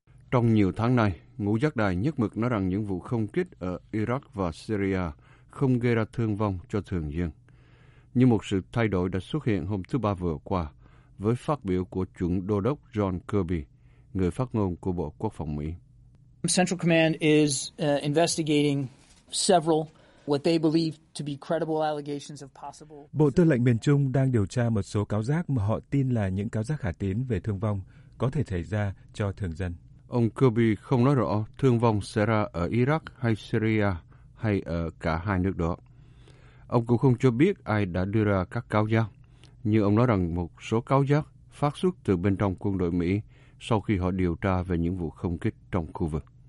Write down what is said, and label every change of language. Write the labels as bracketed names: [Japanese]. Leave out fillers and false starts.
[Vietnamese] Trong nhiều tháng nay, ngũ giác đài nhất mực nói rằng những vụ không kích ở Iraq và Syria không gây ra thương vong cho thường dân. Nhưng một sự thay đổi đã xuất hiện hôm thứ Ba vừa qua, với phát biểu của chuẩn đô đốc John Kirby, người phát ngôn của Bộ Quốc phòng Mỹ. [English] Central Command is investigating several what they believe to be credible allegations of possible. [Vietnamese] Bộ Tư lệnh miền Trung đang điều tra một số cáo giác mà họ tin là những cáo giác khả tín về thương vong có thể xảy ra cho thường dân. Ông Kirby không nói rõ thương vong sẽ ra ở Iraq hay Syria hay ở cả hai nước đó. Ông cũng không cho biết ai đã đưa ra các cáo giác. Như ông nói rằng một số cáo giác phát xuất từ bên trong quân đội Mỹ sau khi họ điều tra về những vụ không kích trong khu vực.